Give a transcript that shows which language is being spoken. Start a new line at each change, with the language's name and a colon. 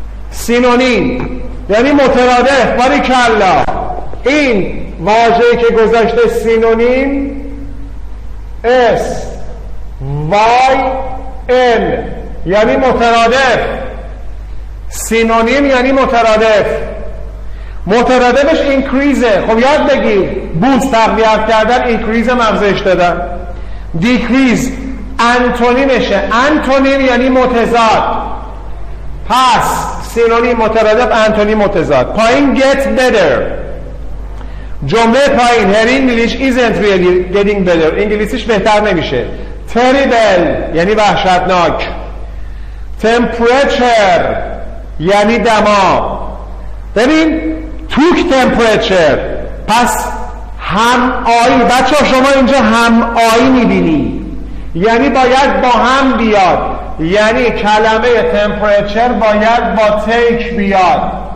Persian: سینونیم یعنی مترادف. باری کلا این واژه‌ای که گذشته سینونیم S-Y-N یعنی مترادف، سینونیم یعنی مترادف. مترادفش اینکریزه، خب یاد بگی بوست تقویت کردن، اینکریز مغزش دادن. دیکریز انتونیمشه، انتونیم یعنی متضاد. پس سینونیم مترادف، انتونیم متضاد. پایین
English: get better،
Persian: جمله پایین
English: her English isn't really getting better،
Persian: انگلیسیش بهتر نمیشه. terrible یعنی وحشتناک. temperature یعنی دما. ببین
English: took temperature،
Persian: پس هم آیی. بچه شما اینجا هم آیی میبینی، یعنی باید با هم بیاد، یعنی کلمه temperature باید با take بیاد.